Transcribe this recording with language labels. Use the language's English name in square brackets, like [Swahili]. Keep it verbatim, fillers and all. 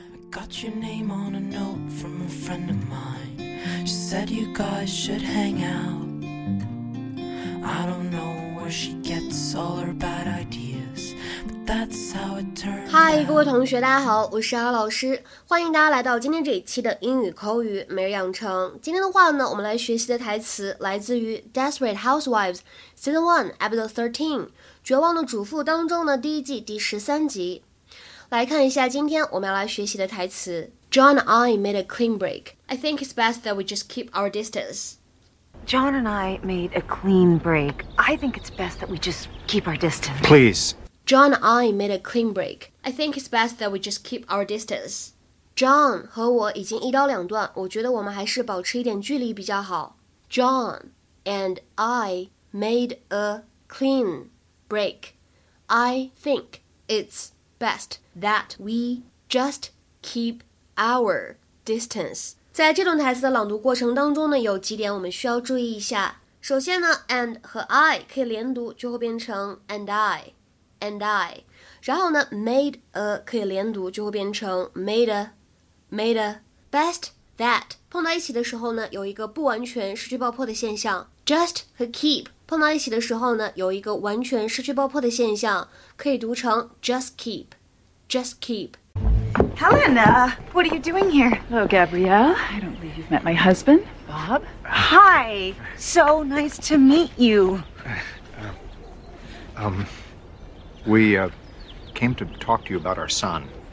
[English] Got your name on a note from a friend of mine. She said you guys should hang out. I don't know where she gets all her bad ideas, but that's how it turned out. [Chinese] 嗨，各位同学，大家好，我是阿老师，欢迎大家来到今天这一期的英语口语每日养成。今天的话呢，我们来学习的台词来自于《Desperate Housewives》 [English] Season one Episode thirteen， [Chinese] 绝望的主妇当中的第一季第十三集。来看一下今天我们要来学习的台词。 [English] John and I made a clean break. I think it's best that we just keep our distance. John and I made a clean break. I think it's best that we just keep our distance. Please. John and I made a clean break. I think it's best that we just keep our distance. [Chinese] John 和我已经一刀两断，我觉得我们还是保持一点距离比较好。 [English] John and I made a clean break. I think it's best that we just keep our distance. [Chinese] 在这段台词的朗读过程当中呢，有几点我们需要注意一下。首先呢 [English] and 和 I [Chinese] 可以连读，就会变成 [English] and I and I。 [Chinese] 然后呢 made a 可以连读，就会变成 [English] made a made a best that [Chinese] 碰到一起的时候呢，有一个不完全失去爆破的现象。 just 和 keep 碰到一起的时候呢，有一个完全失去爆破的现象，可以读成 [English] just keep just keep。 Helena, what are you doing here? Hello, Gabrielle. I don't believe you've met my husband, Bob. Hi. So nice to meet you. Uh, um, we uh, came to talk to you about our son.